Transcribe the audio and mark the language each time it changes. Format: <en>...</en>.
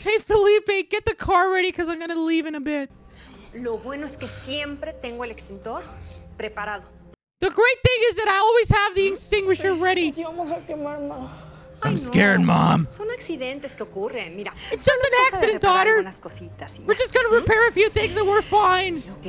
<en>Hey, Felipe, get the car ready because I'm going to leave in a bit.</en> <es>Lo bueno es que siempre tengo el extintor preparado.</es> <en>The great thing is that I always have the extinguisher ready. I'm scared, Mom. It's just an accident, daughter. We're just gonna repair a few things and we're fine.</en>